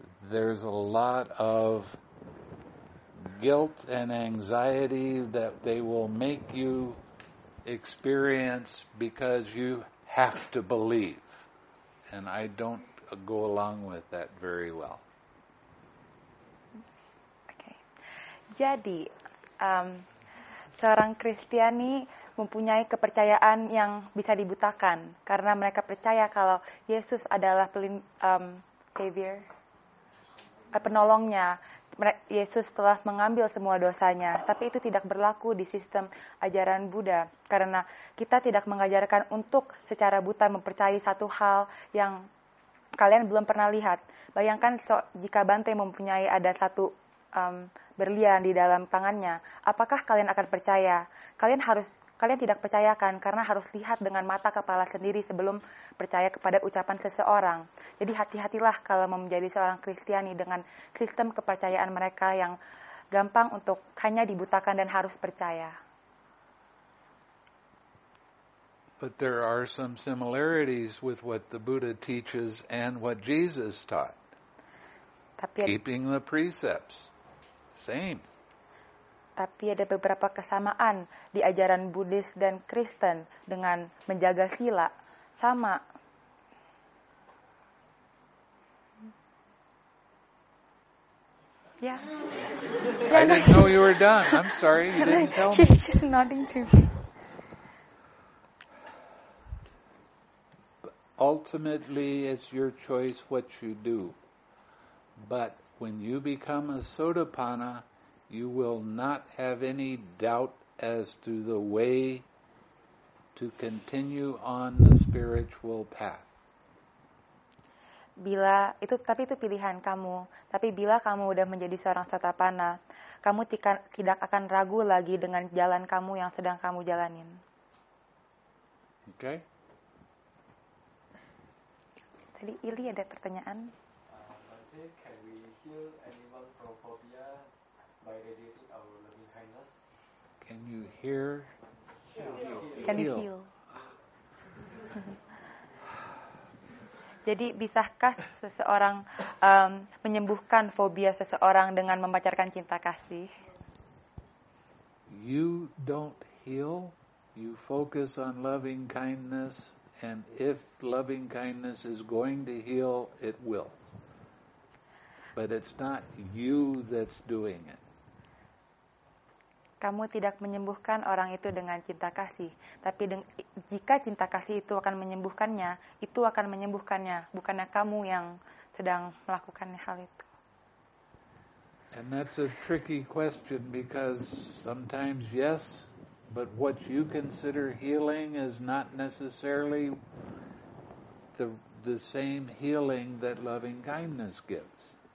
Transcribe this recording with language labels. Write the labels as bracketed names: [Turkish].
[English] There's a lot of guilt and anxiety that they will make you experience because you have to believe. And I don't go along with that very well. Okay. [Indonesian] Jadi, seorang Kristiani mempunyai kepercayaan yang bisa dibutakan karena mereka percaya kalau Yesus adalah savior, penolongnya. Yesus telah mengambil semua dosanya, tapi itu tidak berlaku di sistem ajaran Buddha karena kita tidak mengajarkan untuk secara buta mempercayai satu hal yang kalian belum pernah lihat. Bayangkan jika Bante mempunyai ada satu berlian di dalam tangannya, apakah kalian akan percaya? Kalian tidak percayakan karena harus lihat dengan mata kepala sendiri sebelum percaya kepada ucapan seseorang. Jadi hati-hatilah kalau mau menjadi seorang Kristiani dengan sistem kepercayaan mereka yang gampang untuk hanya dibutakan dan harus percaya. [English] But there are some similarities with what the Buddha teaches and what Jesus taught. Keeping the precepts. Same. [Indonesian] Tapi ada beberapa kesamaan di ajaran Buddhis dan Kristen dengan menjaga sila. Sama. Ya. [English] Yeah. I didn't know you were done. I'm sorry. You didn't tell me. She's just nodding to me. Ultimately, it's your choice what you do. But when you become a sotapanna, you will not have any doubt as to the way to continue on the spiritual path. [Indonesian] Bila itu, tapi itu pilihan kamu. Tapi bila kamu sudah menjadi seorang sotapanna, kamu tidak akan ragu lagi dengan jalan kamu yang sedang kamu jalanin. [English] Okay. [Indonesian] Tadi Ili ada pertanyaan. [English] Can we heal animal from phobia by radiating our loving kindness? Can you hear? Can you heal? [Indonesian] Jadi bisakah seseorang menyembuhkan fobia seseorang dengan memancarkan cinta kasih? [English] You don't heal. You focus on loving kindness, and if loving kindness is going to heal, it will. But it's not you that's doing it. [Indonesian] Kamu tidak menyembuhkan orang itu dengan cinta kasih, tapi jika cinta kasih itu akan menyembuhkannya, itu akan menyembuhkannya, bukannya kamu yang sedang melakukan hal itu. [English] And that's a tricky question because sometimes yes, but what you consider healing is not necessarily the same healing that loving kindness gives.